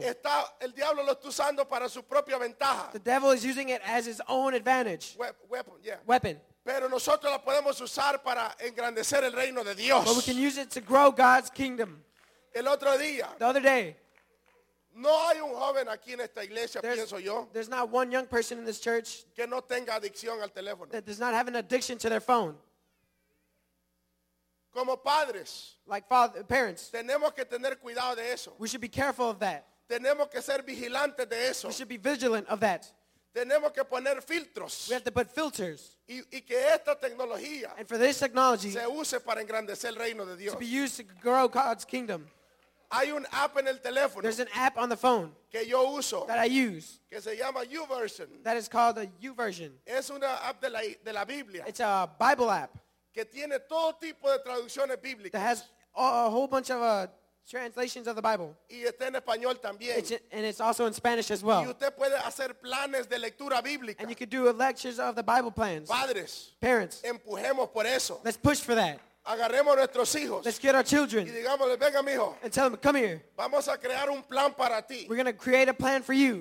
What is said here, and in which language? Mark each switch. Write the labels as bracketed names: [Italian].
[Spanish] Está, el diablo lo está usando para su propia ventaja. [English] The devil is using it as his own advantage. Weapon, yeah. Weapon. [Spanish] Pero nosotros la podemos usar para engrandecer el reino de Dios. [English] But we can use it to grow God's kingdom. [Spanish] El otro día. [English] The other day. [Spanish] No hay un joven aquí en esta iglesia, pienso yo. [English] There's not one young person in this church [Spanish] que no tenga adicción al teléfono. [English] That does not have an addiction to their phone. [Spanish] Como padres, [English] like father, parents, [Spanish] tenemos que tener cuidado de eso. [English] We should be careful of that. [Spanish] Tenemos que ser vigilantes de eso. [English] We should be vigilant of that. [Spanish] Tenemos que poner filtros. [English] We have to put filters. [Spanish] Y que esta tecnología, [English] and for this technology, [Spanish] se use para engrandecer el reino de Dios. [English] To be used to grow God's kingdom. [Spanish] Hay un app en el teléfono. [English] There's an app on the phone [Spanish] que yo uso. [English] That I use. [Spanish] Que se llama YouVersion. [English] That is called the YouVersion. [Spanish] Es una app de la Biblia. [English] It's a Bible app. [Spanish] Que tiene todo tipo de traducciones bíblicas. [English] That has a whole bunch of translations of the Bible. [Spanish] Y está en español también. [English] And it's also in Spanish as well. [Spanish] Y usted puede hacer planes de lectura bíblica. [English] And you can do lectures of the Bible plans. [Spanish] Padres. [English] Parents. [Spanish] Empujemos por eso. [English] Let's push for that. [Spanish] Agarremos nuestros hijos. [English] Let's get our children. [Spanish] Y digámosle, venga, mijo. [English] And tell them, come here. [Spanish] Vamos a crear un plan para ti. [English] We're going to create a plan for you.